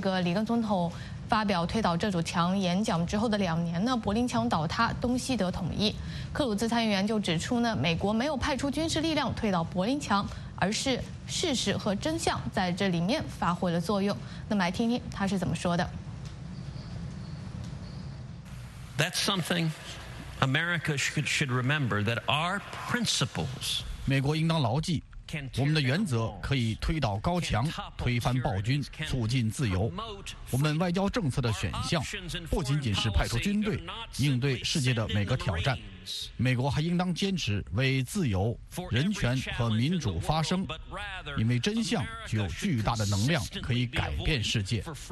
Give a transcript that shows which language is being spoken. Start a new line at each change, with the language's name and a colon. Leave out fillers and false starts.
Chinese: 个里根总统发表推倒这堵墙演讲之后的两年呢，柏林墙倒塌，东西德统一。克鲁兹参议员就指出呢，美国没有派出军事力量推倒柏林墙，而是事实和真相在这里面发挥了作用。那么来听听他是怎么说的。
English: That's something America should remember, that our principles.
Chinese: 美国应当牢记，我们的原则可以推倒高墙，推翻暴君，促进自由。我们外交政策的选项不仅仅是派出军队应对世界的每个挑战，美国还应当坚持为自由、人权和民主发声，因为真相具有巨大的能量，可以改变世界。